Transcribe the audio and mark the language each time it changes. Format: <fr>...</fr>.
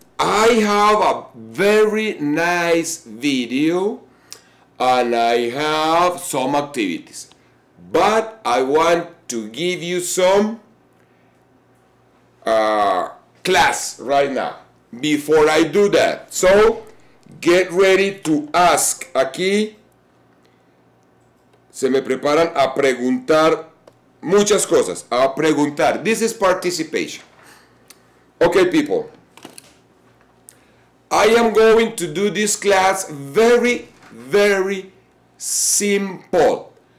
<en>I have a very nice video and I have some activities, but I want to give you some class right now before I do that. So get ready to ask.</en> <es>Aquí se me preparan a preguntar muchas cosas, a preguntar.</es> <en>This is participation. Okay, people. I am going to do this class very, very simple.</en>